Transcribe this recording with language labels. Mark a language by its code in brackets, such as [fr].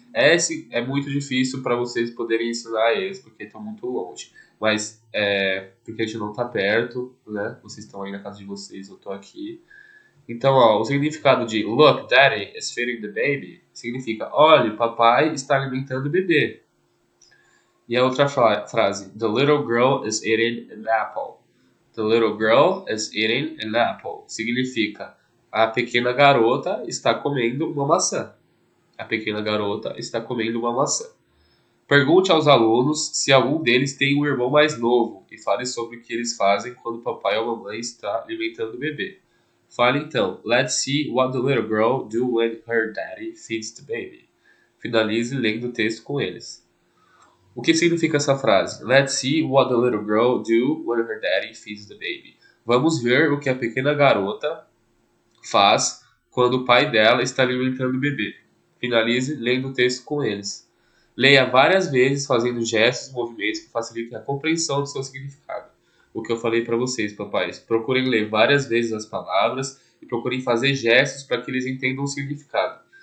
[pt] Esse é muito difícil para vocês poderem ensinar eles, porque estão muito longe. Mas é porque a gente não tá perto, né? Vocês estão aí na casa de vocês, eu tô aqui. Então, ó, o significado de [en] look, daddy is feeding the baby [pt] significa olhe, papai está alimentando o bebê. E a outra frase, [en] the little girl is eating an apple. The little girl is eating an apple [pt] significa a pequena garota está comendo uma maçã. A pequena garota está comendo uma maçã. Pergunte aos alunos se algum deles tem um irmão mais novo e fale sobre o que eles fazem quando o papai ou a mamãe está alimentando o bebê. Fale então, [en] let's see what the little girl do when her daddy feeds the baby. [pt] Finalize lendo o texto com eles. O que significa essa frase? [en] Let's see what the little girl do when her daddy feeds the baby. [pt] Vamos ver o que a pequena garota faz quando o pai dela está alimentando o bebê. Finalize lendo o texto com eles. Leia várias vezes fazendo gestos e movimentos que facilitem a compreensão do seu significado. O que eu falei para vocês, papais. Procurem ler várias vezes as palavras e procurem fazer gestos para que eles entendam o significado.